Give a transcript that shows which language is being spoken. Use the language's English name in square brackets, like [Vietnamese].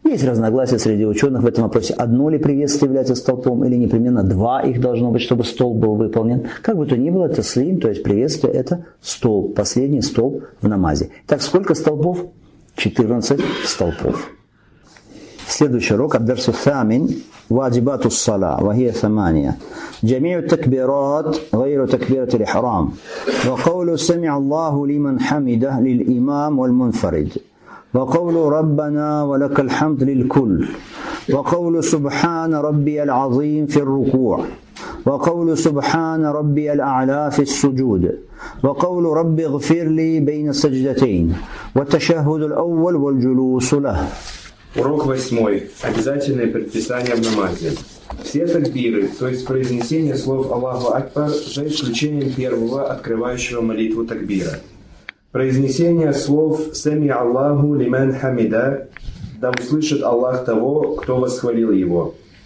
[Russian] Есть разногласия среди ученых в этом вопросе, одно ли приветствие является столпом, или непременно два их должно быть, чтобы столб был выполнен. Как бы то ни было, это слим, то есть приветствие – это столб, последний столб в намазе. Так, сколько столпов? 14 столпов. Следующий урок – Абдарсу Самин. [Arabic] واجبات الصلاة وهي ثمانية جميع التكبيرات غير تكبيرة الإحرام وقول سمع الله لمن حمده للإمام والمنفرد وقول ربنا ولك الحمد للكل وقول سبحان ربي العظيم في الركوع وقول سبحان ربي الأعلى في السجود وقول ربي اغفر لي بين السجدتين والتشهد الأول والجلوس له. [Russian] Урок восьмой. Обязательные предписания в намазе. Все такбиры, то есть произнесение слов Аллаху Акбар, за исключением первого, открывающего молитву такбира. Произнесение слов «Сами Аллаху лиман хамида», «Да услышит Аллах того, кто восхвалил его».